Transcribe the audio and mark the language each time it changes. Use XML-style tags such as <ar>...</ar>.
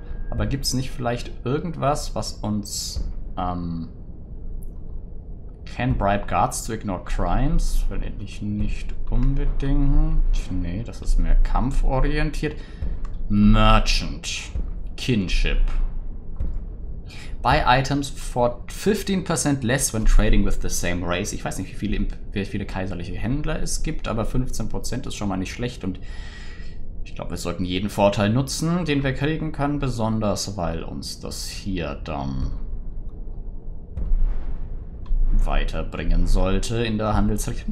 <de>Aber gibt es nicht vielleicht irgendwas, was uns</de> <en>can bribe guards to ignore crimes?</en> <de>Vielleicht nicht unbedingt. Nee, das ist mehr kampforientiert.</de> <en>Merchant. Kinship. Buy items for 15% less when trading with the same race.</en> <de>Ich weiß nicht, wie viele kaiserliche Händler es gibt, aber 15% ist schon mal nicht schlecht und ich glaube, wir sollten jeden Vorteil nutzen, den wir kriegen können, besonders weil uns das hier dann weiterbringen sollte in der Handelsrichtung.</de>